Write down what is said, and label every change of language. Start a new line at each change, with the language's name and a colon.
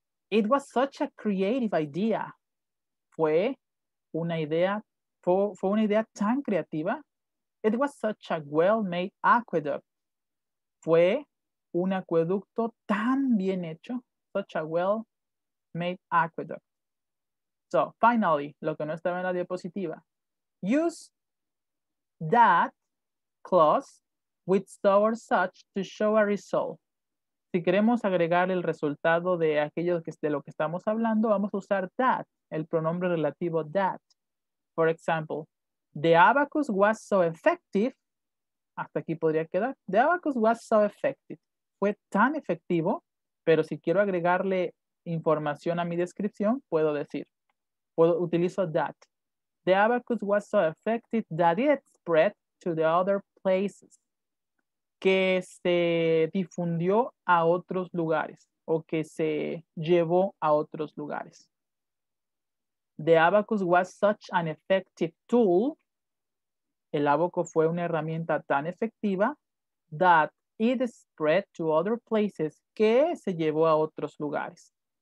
English: It was such a creative idea.
Spanish: Fue una idea tan creativa.
English: It was such a well-made aqueduct.
Spanish: Fue un acueducto tan bien hecho.
English: Such a well-made aqueduct. So, finally,
Spanish: lo que no estaba en la diapositiva.
English: Use that clause with so or such to show a result.
Spanish: Si queremos agregar el resultado de aquello de lo que estamos hablando, vamos a usar that, el pronombre relativo that.
English: For example, the abacus was so effective.
Spanish: Hasta aquí podría quedar.
English: The abacus was so effective.
Spanish: Fue tan efectivo, pero si quiero agregarle información a mi descripción, puedo decir. Utilizo that.
English: The abacus was so effective that it spread to the other places.
Spanish: Que se difundió a otros lugares o que se llevó a otros lugares.
English: The abacus was such an effective tool.
Spanish: El abaco fue una herramienta tan efectiva
English: that it spread to other places,
Spanish: que se llevó a otros lugares.